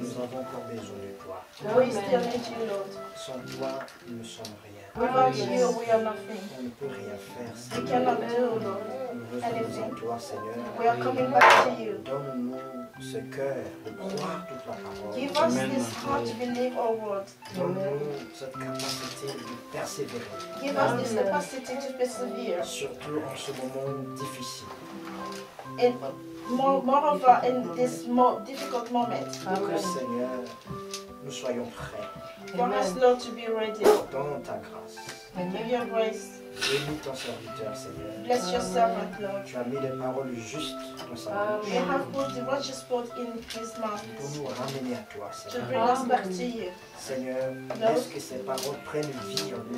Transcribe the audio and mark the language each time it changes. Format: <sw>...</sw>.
<fr>Nous avons encore besoin de toi.</fr> <en>We still need you, Lord.</en> <fr>Sans toi, nous ne sommes rien.</fr> <en>Without you, we are nothing.</en> <fr>On ne peut rien faire, Seigneur.</fr> <en>We cannot do, Lord. Anything. We are coming back to you.</en> <fr>Donne-nous ce cœur de croire toute la parole.</fr> <en>Give us this heart to believe our word.</en> <fr>Donne-nous cette capacité de persévérer.</fr> <en>Give us this capacity to persevere.</en> <fr>Surtout en ce moment difficile.</fr> <en>And moreover, in this more difficult moment.</en> <fr>Pour que, Seigneur, nous soyons prêts.</fr> <en>For us, Lord, to be ready.</en> <fr>Donne ta grâce.</fr> <en>And give your grace.</en> <fr>Bénis ton serviteur, Seigneur.</fr> <en>Bless your servant, Lord.</en> <fr>Tu as mis les paroles justes dans sa bouche.</fr> <en>You have put the righteous word in his mouth.</en> <fr>Pour nous ramener à toi, Seigneur.</fr> <en>To bring us back to you.</en> <fr>Seigneur, laisse que ces paroles prennent vie en nous.</fr>